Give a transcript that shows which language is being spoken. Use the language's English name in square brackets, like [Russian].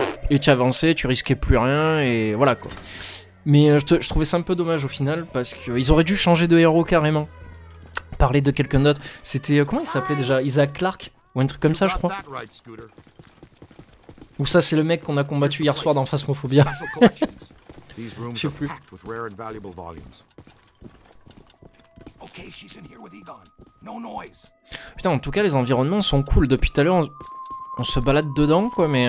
[French] Et tu avançais, tu risquais plus rien, et voilà quoi. Mais je trouvais ça un peu dommage au final, parce qu'ils auraient dû changer de héros carrément. Parler de quelqu'un d'autre. C'était, comment il s'appelait déjà? Isaac Clarke? Ou un truc comme ça, je crois. Ou ça, c'est le mec qu'on a combattu hier soir dans Phasmophobia. [English] These rooms are packed with rare and valuable volumes. Okay, she's in here with Egon. No noise. [French] Putain, en tout cas, les environnements sont cool. Depuis tout à l'heure, on se balade dedans, quoi, mais...